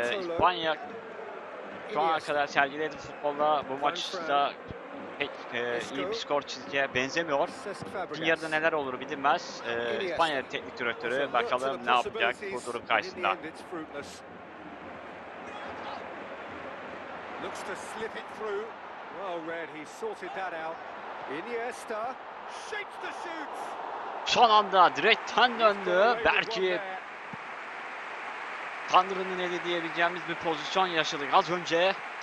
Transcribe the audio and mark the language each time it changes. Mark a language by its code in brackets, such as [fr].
[tr] İspanya şu ana kadar sergilediği futbolda bu maçta pek iyi bir skor çizgiye benzemiyor. Yarıda neler olur bilinmez. İspanya teknik direktörü bakalım ne yapacak bu durum karşısında. [en] Looks to slip it through. Well read, he sorted that out. Iniesta shapes the shoot. [tr] Son anda direkten döndü. Belki Tanrı'nın eli diyebileceğimiz bir pozisyon yaşadık az önce.